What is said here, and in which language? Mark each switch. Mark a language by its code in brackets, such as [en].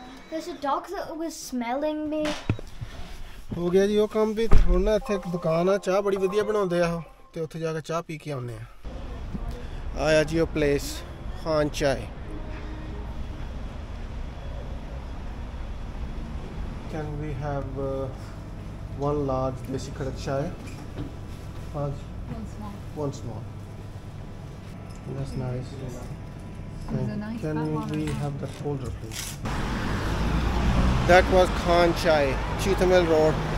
[en] There's a dog that was smelling me. [pa] ਹੋ ਗਿਆ ਜੀ ਉਹ ਕੰਮ ਵੀ, ਹੁਣ ਨਾ ਇੱਥੇ ਇੱਕ ਦੁਕਾਨ ਆ ਚਾਹ ਬੜੀ ਵਧੀਆ ਬਣਾਉਂਦੇ ਆ ਉਹ, ਅਤੇ ਉੱਥੇ ਜਾ ਕੇ ਚਾਹ ਪੀ ਕੇ ਆਉਂਦੇ ਹਾਂ। ਆਇਆ ਜੀ ਉਹ [en] Place Khan Chai, can we have one large desi kadak chai, one small, that's nice. Can we have that folder please? That was Khan Chai, Chitamel Road.